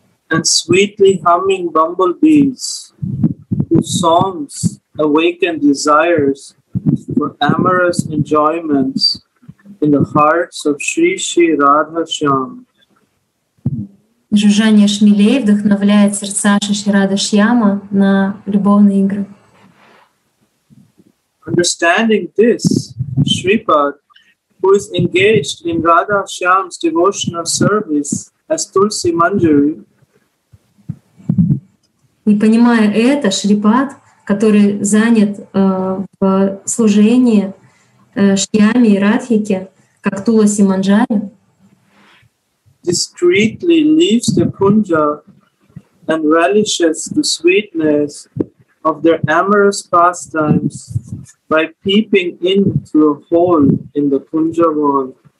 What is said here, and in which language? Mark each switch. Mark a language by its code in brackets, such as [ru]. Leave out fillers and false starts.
[en] and sweetly humming bumblebees whose songs awaken desires for amorous enjoyments in the hearts of Sri Sri Radha Shyam. [ru] Жужжание шмелей вдохновляет сердца Шри Радха Шьяма на любовные игры. [en] Understanding this, Shripad, who is engaged in Radha Shyam's devotional service as Tulsi Manjari, [ru] и понимая это, Шрипад, который занят в служении Шьяме и Радхике, как Туласи Манджари, [en] discreetly leaves the punja and relishes the sweetness of their amorous pastimes by peeping in through a hole in the punja wall.